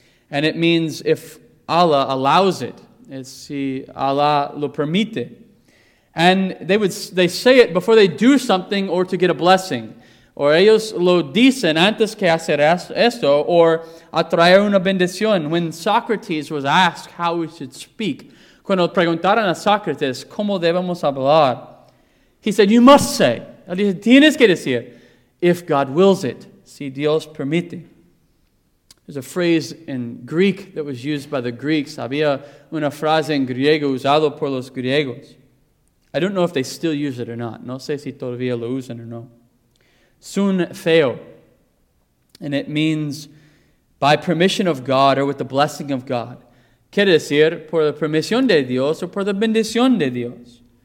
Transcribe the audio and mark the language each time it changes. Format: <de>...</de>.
<en>And it means if Allah allows it.</en> <es>Es si Allah lo permite.</es> <en>And they say it before they do something or to get a blessing.</en> <es>O ellos lo dicen antes que hacer esto or atraer una bendición.</es> <en>When Socrates was asked how we should speak,</en> <es>cuando preguntaron a Socrates, ¿cómo debemos hablar?</es> <en>He said, you must say.</en> <es>Él dice, tienes que decir,</es> <en>if God wills it,</en> <es>si Dios permite.</es> <en>There's a phrase in Greek that was used by the Greeks.</en> <es>Había una frase en griego usado por los griegos.</es> <en>I don't know if they still use it or not.</en> <es>No sé si todavía lo usan o no.</es> <el>Sun theo.</el> <en>And it means by permission of God or with the blessing of God.</en> <es>Quiere decir por la permisión de Dios o por la bendición de Dios.</es>